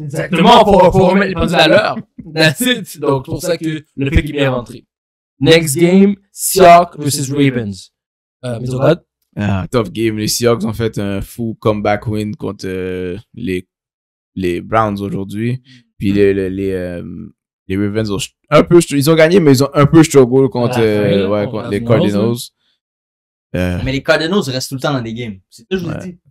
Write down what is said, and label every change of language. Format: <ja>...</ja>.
<fr>Exactement, pour remettre les pendules à l'heure.</fr> <en>That's it.</en> <fr>Donc, pour ça que le fait qu'il est bien rentré.</fr> <en>Next game, Seahawks versus Ravens. Tough game.</en> <fr>Les Seahawks ont fait un fou comeback win contre les Browns aujourd'hui. Puis les Ravens ont un peu... Ils ont gagné, mais ils ont un peu struggle contre, contre les Cardinals. Mais les Cardinals restent tout le temps dans des games. C'est ça que je vous dis.</fr>